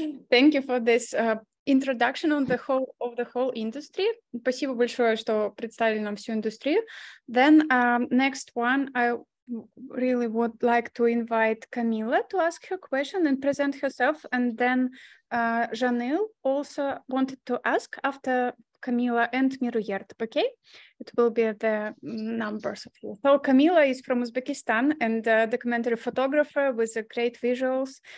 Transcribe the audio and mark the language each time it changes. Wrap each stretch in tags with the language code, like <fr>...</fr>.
<en>Thank you for this introduction on the whole of the whole industry.</en> <ru>Спасибо большое, что представили нам всю индустрию.</ru> <en>Then next one, I really would like to invite Camila to ask her question and present herself, and then Janil also wanted to ask after Camila and Miruyert. Okay, it will be the numbers of you. So Camila is from Uzbekistan and a documentary photographer with great visuals.</en>